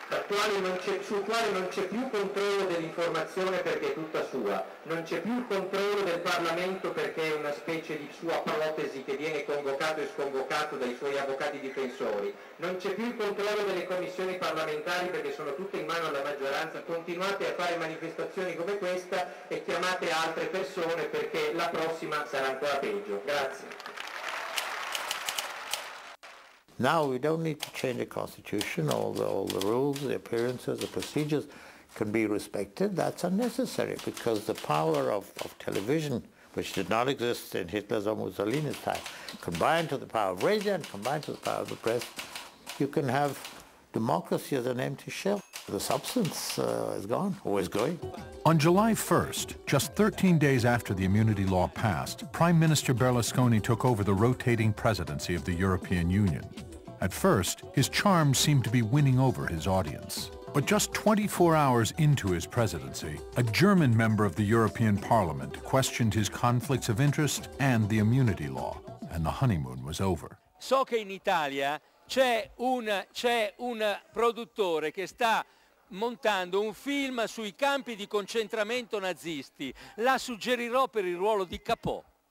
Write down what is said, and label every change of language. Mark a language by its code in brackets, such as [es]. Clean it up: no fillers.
[it] quale non c'è, sul quale non c'è più controllo dell'informazione perché è tutta sua, non c'è più controllo del Parlamento perché è una specie di sua protesi che viene convocato e sconvocato dai suoi avvocati difensori, non c'è più il controllo delle commissioni parlamentari perché sono tutte in mano alla maggioranza, continuate a fare manifestazioni come questa e chiamate altre persone perché la prossima sarà ancora peggio. Grazie. [en] Now we don't need to change the constitution, all the rules, the appearances, the procedures can be respected. That's unnecessary because the power of television, which did not exist in Hitler's or Mussolini's time, combined to the power of radio and combined to the power of the press, you can have democracy as an empty shell. The substance is gone, or is going. On July 1st, just 13 days after the immunity law passed, Prime Minister Berlusconi took over the rotating presidency of the European Union. At first, his charm seemed to be winning over his audience. But just 24 hours into his presidency, a German member of the European Parliament questioned his conflicts of interest and the immunity law, and the honeymoon was over. [it] So che in Italia c'è un produttore che sta montando un film sui campi di concentramento nazisti. La suggerirò per il ruolo di Capò.